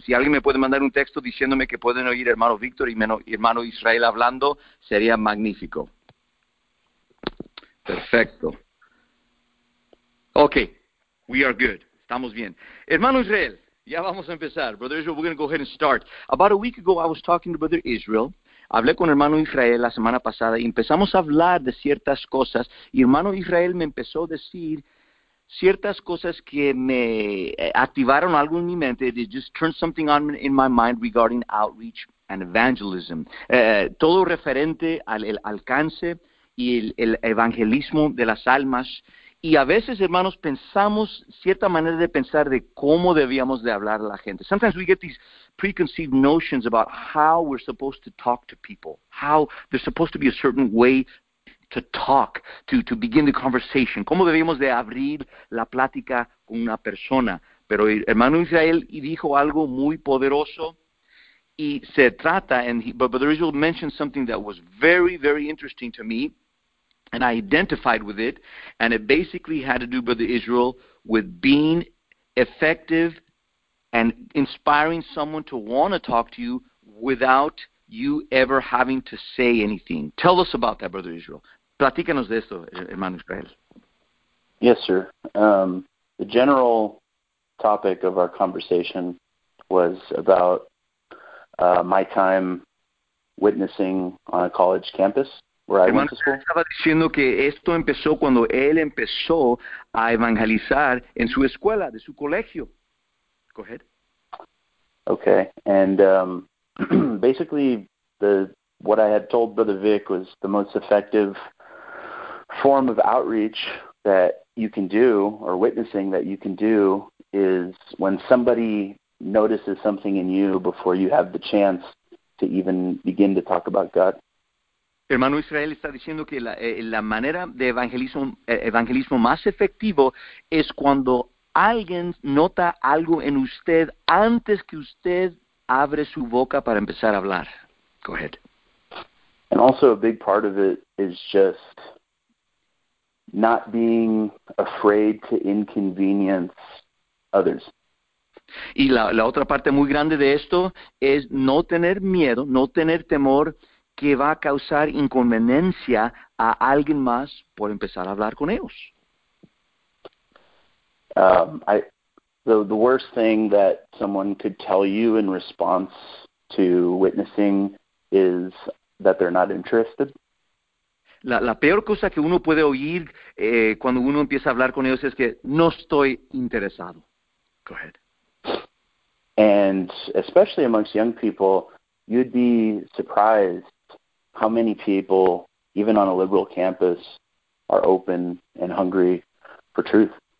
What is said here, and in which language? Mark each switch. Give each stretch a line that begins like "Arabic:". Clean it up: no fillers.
Spanish: Si alguien me puede mandar un texto diciéndome que pueden oír hermano Víctor y hermano Israel hablando, sería magnífico. Perfecto.
English: Okay, we are good.
Spanish: Estamos bien. Hermano Israel, Ya vamos a empezar,
English: Brother Israel. We're going to go ahead and start. About a week ago, I was talking to Brother Israel.
Spanish: Hablé con hermano Israel la semana pasada y empezamos a hablar de ciertas cosas. Y hermano Israel me empezó a decir ciertas cosas que me activaron algo en mi mente.
English: It just turned something on in my mind regarding outreach and evangelism.
Spanish: Todo referente al el alcance y el evangelismo de las almas. Y a veces, hermanos, pensamos cierta manera de pensar de cómo debíamos de hablar a la gente.
English: Sometimes we get these preconceived notions about how we're supposed to talk to people, how there's supposed to be a certain way to talk, to begin the conversation,
Spanish: cómo debíamos de abrir la plática con una persona. Pero hermano Israel dijo algo muy poderoso, y se trata,
English: but Brother Israel mentioned something that was very, very interesting to me, and I identified with it, and it basically had to do, Brother Israel, with being effective and inspiring someone to want to talk to you without you ever having to say anything. Tell us about that, Brother Israel.
Spanish: Platícanos de esto, hermano Israel.
English: Yes, sir. The general topic of our conversation was about my time witnessing on a college campus.
Spanish: Hermano, estaba diciendo que esto empezó cuando él empezó a evangelizar en su escuela, de su colegio.
English: Go ahead. Okay, and basically what I had told Brother Vic was the most effective form of outreach that you can do, or witnessing that you can do, is when somebody notices something in you before you have the chance to even begin to talk about God.
Spanish: Hermano Israel está diciendo que la manera de evangelismo más efectivo es cuando alguien nota algo en usted antes que usted abre su boca para empezar a hablar.
English: Go ahead. And also a big part of it is just not being afraid to inconvenience others.
Spanish: Y la otra parte muy grande de esto es no tener miedo, no tener temor que va a causar inconveniencia a alguien más por empezar a hablar con ellos.
English: The worst thing that someone could tell you in response to witnessing is that they're not interested.
Spanish: La peor cosa que uno puede oír cuando uno empieza a hablar con ellos es que no estoy interesado.
English: Go ahead. And especially amongst young people, you'd be surprised how many people, even on a liberal campus, are open and hungry for truth.